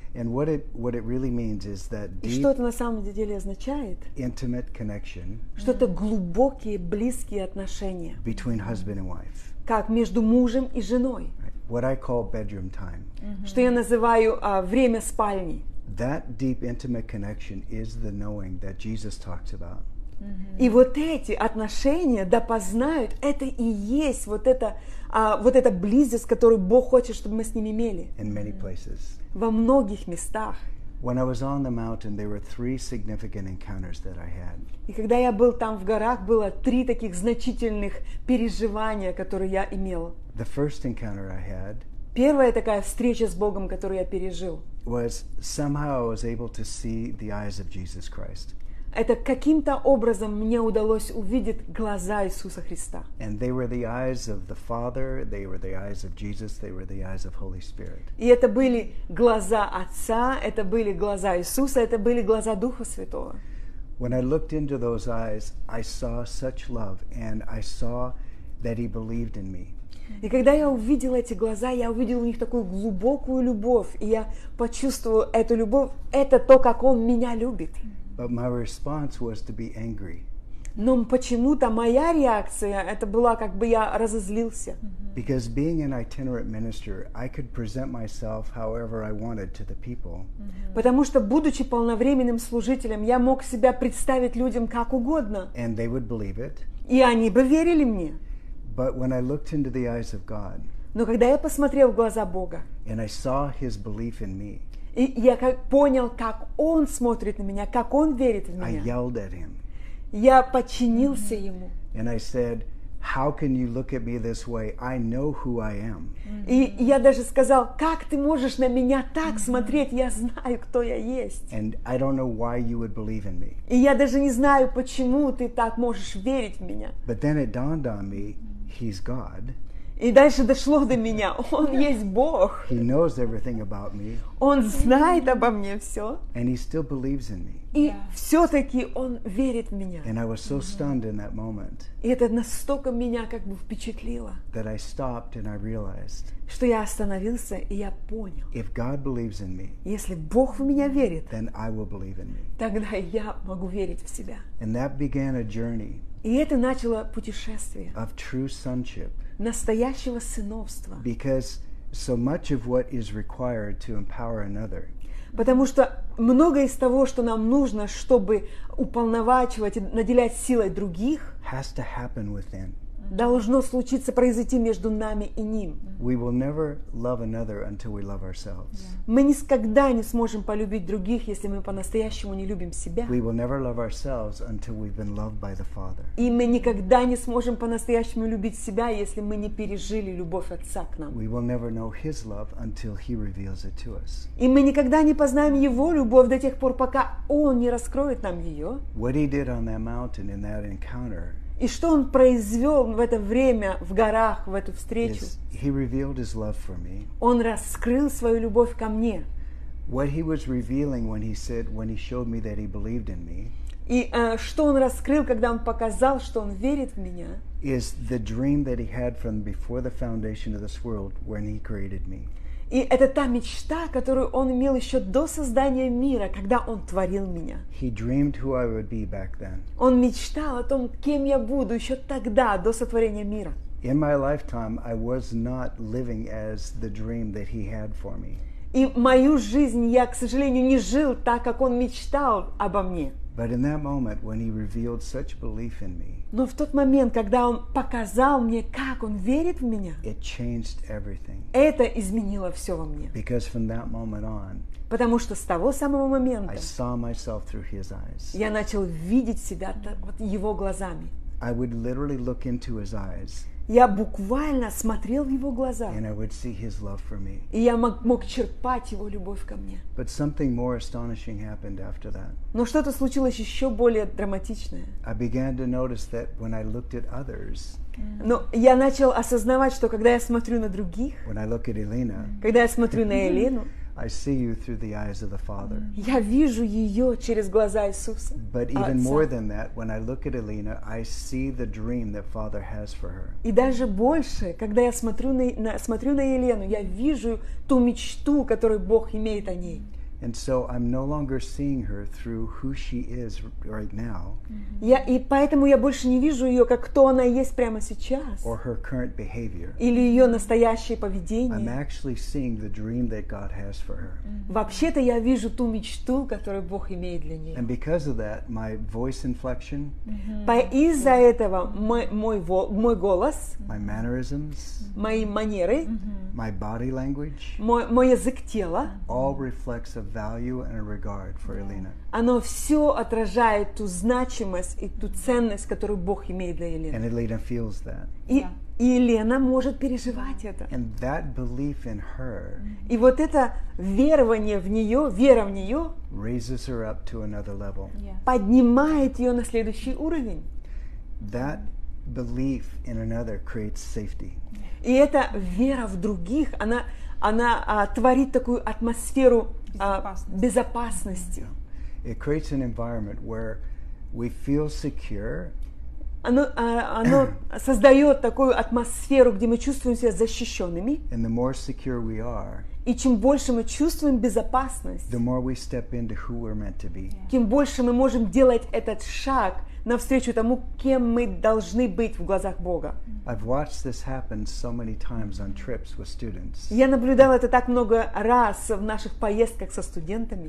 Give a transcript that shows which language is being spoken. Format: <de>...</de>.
<en>And what it really means is that deep,</en> <ru>и что это на самом деле означает?</ru> <en>Intimate connection.</en> <ru>Что-то глубокие, близкие отношения.</ru> <en>Between husband and wife.</en> <ru>Как между мужем и женой.</ru> <en>Right. What I call bedroom time.</en> <ru>Что я называю время спальни.</ru> <en>That deep intimate connection is the knowing that Jesus talks about.</en> <ru>И вот эти отношения, да познают, это и есть вот это, вот эта близость, которую Бог хочет, чтобы мы с ним имели.</ru> <en>In many places.</en> <ru>Во многих местах.</ru> <en>When I was on the mountain, there were three significant encounters that I had.</en> <ru>И когда я был там в горах, было три таких значительных переживания, которые я имел.</ru> <en>The first encounter I had.</en> <ru>Первая такая встреча с Богом, которую я пережил.</ru> <en>Was somehow I was able to see the eyes of Jesus Christ.</en> <ru>Это каким-то образом мне удалось увидеть глаза Иисуса Христа.</ru> <en>And they were the eyes of the Father, they were the eyes of Jesus, they were the eyes of Holy Spirit.</en> <ru>И это были глаза Отца, это были глаза Иисуса, это были глаза Духа Святого.</ru> <en>When I looked into those eyes, I saw such love, and I saw that He believed in me.</en> <ru>И когда я увидел эти глаза, я увидел у них такую глубокую любовь, и я почувствовал эту любовь, это то, как Он меня любит.</ru> <en>But my response was to be angry.</en> <ru>Но почему-то моя реакция это была, как бы я разозлился.</ru> <en>Because being an itinerant minister, I could present myself however I wanted to the people.</en> <ru>Потому что будучи полновременным служителем, я мог себя представить людям как угодно.</ru> <en>And they would believe it.</en> <ru>И они бы верили мне.</ru> <en>But when I looked into the eyes of God.</en> <ru>Но когда я посмотрел в глаза Бога.</ru> <en>And I saw His belief in me.</en> <ru>И я как понял, как он смотрит на меня, как он верит в меня.</ru> <en>I yelled at him.</en> <ru>Я подчинился ему.</ru> <en>And I said, "How can you look at me this way? I know who I am."</en> <ru>И я даже сказал: "Как ты можешь на меня так смотреть? Я знаю, кто я есть."</ru> <en>And I don't know why you would believe in me.</en> <ru>И я даже не знаю, почему ты так можешь верить в меня.</ru> <en>But then it dawned on me, He's God.</en> <ru>И дальше дошло до меня. Он есть Бог.</ru> <en>He knows everything about me.</en> <ru>Он знает обо мне все.</ru> <en>And he still believes in me.</en> <ru>И все-таки он верит в меня.</ru> <en>And I was so stunned in that moment.</en> <ru>И это настолько меня как бы впечатлило.</ru> <en>That I stopped and I realized.</en> <ru>Что я остановился и я понял.</ru> <en>If God believes in me.</en> <ru>Если Бог в меня верит.</ru> <en>Then I will believe in me.</en> <ru>Тогда я могу верить в себя.</ru> <en>And that began a journey.</en> <ru>И это начало путешествие.</ru> <en>Of true sonship.</en> <ru>Настоящего сыновства.</ru> <en>Because so much of what is required to empower another.</en> <ru>Потому что многое из того, что нам нужно, чтобы уполновачивать и наделять силой других,</ru> <en>has to happen within.</en> <ru>Должно случиться, произойти между нами и ним.</ru> <en>We will never love another until we love ourselves.</en> <ru>Мы никогда не сможем полюбить других, если мы по-настоящему не любим себя.</ru> <en>We will never love ourselves until we've been loved by the Father.</en> <ru>И мы никогда не сможем по-настоящему любить себя, если мы не пережили любовь Отца к нам.</ru> <en>We will never know His love until He reveals it to us.</en> <ru>И мы никогда не познаем Его любовь до тех пор, пока Он не раскроет нам ее.</ru> <en>What He did on that mountain in that encounter.</en> <ru>И что он произвел в это время в горах, в эту встречу?</ru> <en>He revealed his love for me.</en> <ru>Он раскрыл свою любовь ко мне.</ru> <en>What he was revealing when he said, when he showed me that he believed in me.</en> <ru>И что он раскрыл, когда он показал, что он верит в меня?</ru> <en>Is the dream that he had from before the foundation of this world when he created me.</en> <ru>И это та мечта, которую он имел еще до создания мира, когда он творил меня.</ru> <en>He dreamed who I would be back then.</en> <ru>Он мечтал о том, кем я буду еще тогда, до сотворения мира.</ru> <en>In my lifetime, I was not living as the dream that he had for me.</en> <ru>И мою жизнь я, к сожалению, не жил так, как он мечтал обо мне.</ru> <en>But in that moment, when he revealed such belief in me,</en> <ru>но в тот момент, когда он показал мне, как он верит в меня,</ru> <en>it changed everything.</en> <ru>Это изменило все во мне.</ru> <en>Because from that moment on,</en> <ru>потому что с того самого момента,</ru> <en>I saw myself through his eyes.</en> <ru>Я начал видеть себя вот его глазами.</ru> <en>I would literally look into his eyes.</en> <ru>Я буквально смотрел в его глаза.</ru> <en>And I would see his love for me.</en> <ru>И я мог черпать его любовь ко мне.</ru> <en>But something more astonishing happened after that.</en> <ru>Но что-то случилось еще более драматичное.</ru> <en>I began to notice that when I looked at others,</en> <ru>но я начал осознавать, что когда я смотрю на других,</ru> <en>when I look at Elena,</en> <ru>когда я смотрю на Елену,</ru> <en>I see you through the eyes of the Father.</en> <ru>Я вижу ее через глаза Иисуса.</ru> <en>But even more than that, when I look at Elena, I see the dream that Father has for her.</en> <ru>И даже больше, когда я смотрю на Елену, я вижу ту мечту, которую Бог имеет о ней.</ru> <en>And so I'm no longer seeing her through who she is right now.</en> <ru>Я и поэтому я больше не вижу ее как кто она есть прямо сейчас.</ru> <en>Or her current behavior.</en> <ru>Или ее настоящее поведение.</ru> <en>I'm actually seeing the dream that God has for her.</en> <ru>Вообще-то я вижу ту мечту, которую Бог имеет для нее.</ru> <en>And because of that, my voice inflection.</en> <ru>Из-за этого мой голос.</ru> <en>My mannerisms.</en> <ru>Мои манеры.</ru> <en>My body language.</en> <ru>Мой язык тела.</ru> <en>All reflects of value and a regard for Elena.</en> <ru>Оно все отражает ту значимость и ту ценность, которую Бог имеет для Елены.</ru> <en>And Elena feels that.</en> <ru>И Елена может переживать это.</ru> <en>And that belief in her.</en> <ru>И вот это верование в нее, вера в нее.</ru> <en>Raises her up to another level.</en> <ru>Поднимает ее на следующий уровень.</ru> <en>That belief in another creates safety.</en> <ru>И эта вера в других, она творит такую атмосферу безопасности.</ru> <en>It creates an environment where we feel secure.</en> <ru>Оно создает такую атмосферу, где мы чувствуем себя защищенными.</ru> <en>And the more secure we are,</en> <ru>и чем больше мы чувствуем безопасность,</ru> <en>the more we step into who we're meant to be.</en> <ru>Тем больше мы можем делать этот шаг навстречу тому, кем мы должны быть в глазах Бога.</ru> <en>I've watched this happen so many times on trips with students.</en> <ru>Я наблюдала это так много раз в наших поездках со студентами.</ru>